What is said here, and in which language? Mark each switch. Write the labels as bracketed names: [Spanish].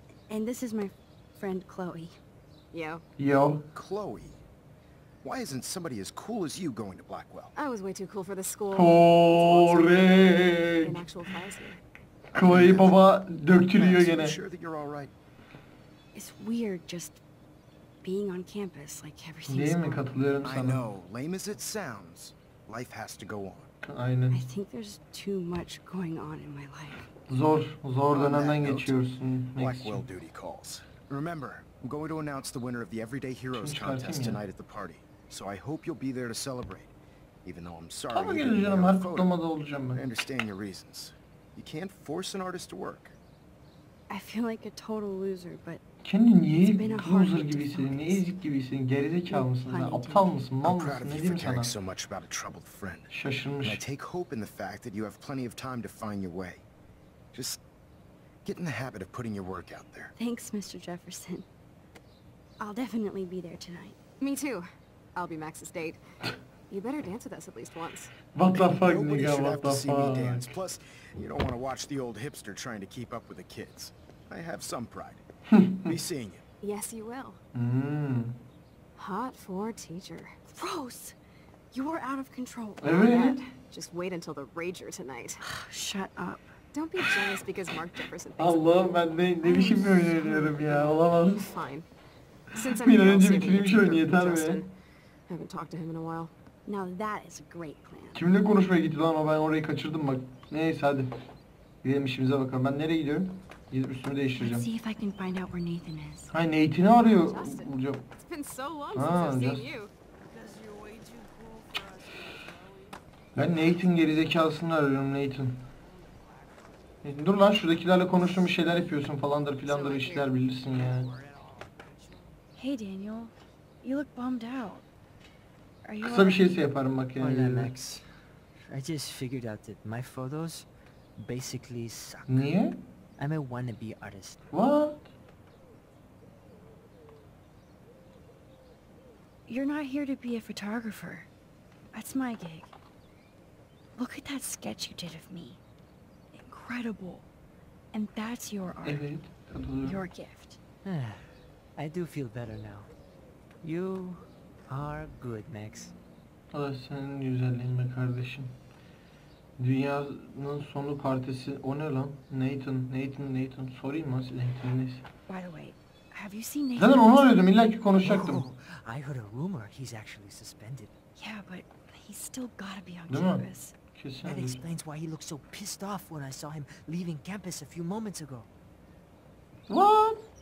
[English] And this is my friend Chloe. Yo. Yo. Chloe. Why isn't somebody as cool as you going to Blackwell? I was way too cool for the school. Correct. An actual prize. [Turkish] Chloe baba döktürüyor gene. [English] It's weird just being on campus, like everything. [Turkish] Değil mi, katılıyorum sana. [English] I know, lame as it sounds, life has to go on. [Turkish] Aynen. [English] I think there's too much going on in my life. [Turkish] Zor dönemden geçiyorsun. [English] Blackwell duty calls. Remember, I'm going to announce the winner of the Everyday Heroes contest tonight at the party. So I hope you'll be there to celebrate. Even though I'm sorry. [Turkish] Tamam, geleceğim, her kutlamada olacağım ben. [English] I understand your reasons. You can't force an artist to work. I feel like a total loser, but [Turkish] kendi niye loser gibisin, niye ezik gibisin, gerizekalı mısın, aptal mısın, mal mısın, ne diyeyim sana? [English] So much about a troubled friend. [Turkish] Şaşırmış. [English] I take hope in the fact that you have plenty of time to find your way. Just get in the habit of putting your work out there. Thanks, Mr. Jefferson. I'll definitely be there tonight. Me too. I'll be Max's date. You better dance with us at least once. What the fuck, nigga? What the fuck? Plus, you don't want to watch the old hipster trying to keep up with the kids. I have some pride. Be seeing you. Yes, you will. Mm. Hot for teacher. Gross! You're out of control. [Turkish] Evet. [English] Just wait until the rager tonight. Shut up. Don't be jealous because Mark Jefferson. [Turkish] Allah, ben ne biçim bir oynuyorum ya? Olamaz. [English] Fine. Since I'm not going to be here, [Turkish] yeter be. [English] I haven't talked to him in a while. Now that is a great plan. [Turkish] Kimle konuşmaya gitti lan o, ben orayı kaçırdım bak. Neyse hadi. Gidelim işimize bakalım. Ben nereye gidiyorum? Gidip üstümü değiştireceğim. [English] See if I can find out where Nathan is. [Turkish] Hayır, Nathan'ı arıyor. [English] Justin, it's been so long since I've seen you. [Turkish] Ben Nathan gerizekalısını arıyorum, Nathan. Nathan. Dur lan, şuradakilerle konuştuğun bir şeyler yapıyorsun falandır filandır işler, bilirsin ya. [English] Hey Daniel, you look bummed out. [Turkish] Kısa bir şeyse yaparım bak yani. [Spanish] Hola Max. [English] I just figured out that my photos basically suck. [Turkish] Niye? [English] I'm a wannabe artist. What? You're not here to be a photographer. That's my gig. Look at that sketch you did of me. Incredible. And that's your art. [Turkish] Evet, [English] your gift. I do feel better now. You are good, Max. [Turkish] Allah senin güzelliğin be kardeşim. Dünyanın sonu partisi. O ne lan? Nathan. Sorayım mı siz Nathan'ınız? [English] By the way, have you seen Nathan? [Turkish] Zaten onu arıyordum. İlla ki konuşacaktım. [English] Oh, I heard a rumor he's actually suspended. Yeah, but he's still gotta be on campus. That explains why he looked so pissed off when I saw him leaving campus a few moments ago. What?